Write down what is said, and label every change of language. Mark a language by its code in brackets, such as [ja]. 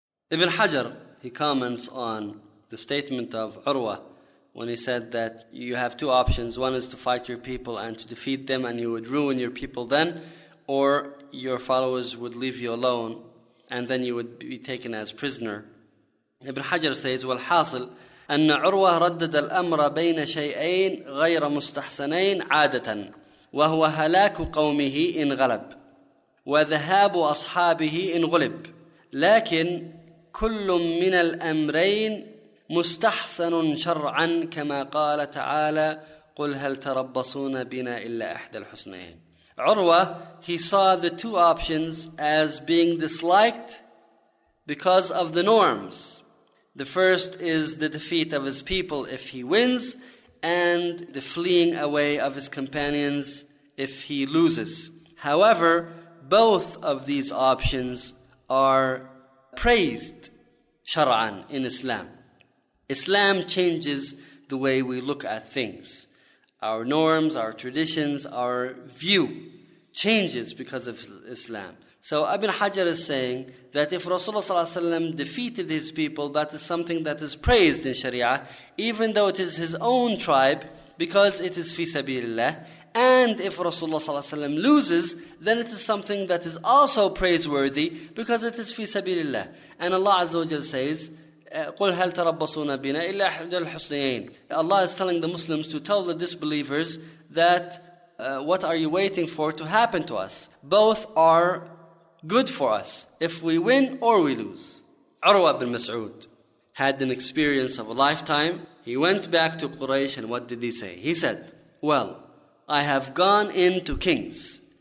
[en] Ibn Hajar, he comments on the statement of Urwa when he said that you have two options. One is to fight your people and to defeat them and you would ruin your people then, or your followers would leave you alone and then you would be taken as prisoner. Ibn Hajar says, [ar] والحاصل أن عروة ردد الأمر بين شيئين غير مستحسنين عادة وهو هلاك قومه إن غلب وذهاب أصحابه إن غلب لكن كل من الأمرين مستحسن شرعا كما قال تعالى قل هل تربصون بنا إلا إحدى الحسنين. [en] عروة, he saw the two options as being disliked because of the norms. The first is the defeat of his people if he wins, and the fleeing away of his companions if he loses. However, both of these options are praised shar'an in Islam. Islam changes the way we look at things. Our norms, our traditions, our view changes because of Islam. So Ibn Hajar is saying that if Rasulullah sallallahu alaihi wasallam defeated his people, that is something that is praised in Sharia, even though it is his own tribe, because it is fi sabilillah. And if Rasulullah sallallahu alaihi wasallam loses, then it is something that is also praiseworthy, because it is fi sabilillah. And Allah azza wa jalla says, [ar] قُلْ هَلْ تَرَبَّصُونَ بِنَا إِلَّا أَحْدَى الْحُسْنَيَيْنِ. [en] Allah is telling the Muslims to tell the disbelievers that what are you waiting for to happen to us? Both are good for us, if we win or we lose. Urwa bin Mas'ud had an experience of a lifetime. He went back to Quraysh and what did he say? He said, well, I have gone in to kings.